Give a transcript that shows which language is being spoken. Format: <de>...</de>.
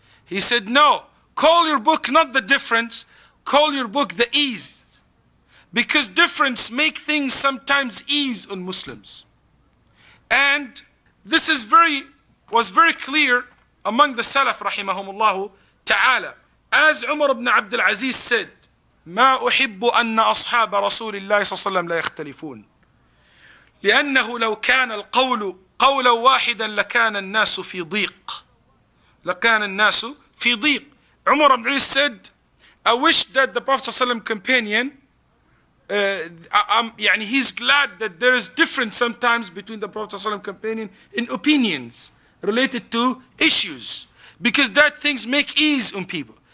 <en>He said, no, call your book not The Difference, call your book The Ease. Because difference make things sometimes ease on Muslims. And this is was very clear among the Salaf, rahimahumullah ta'ala. As Umar ibn Abdul Aziz said,</en> <ar>مَا أُحِبُّ أَنَّ أَصْحَابَ رَسُولِ اللَّهِ صَلَّى اللَّهُ عَلَيْهِ وَسَلَّمَ لَا يَخْتَلِفُونَ لأنه لو كان القول قولا واحدا لكان الناس في ضيق لكان الناس في ضيق.</ar> <en>عمر بن عيسى said, I wish that the Prophet ﷺ companion, يعني he's glad that there is difference sometimes between the Prophet ﷺ companion in opinions related to issues, because that things make ease on people.</en>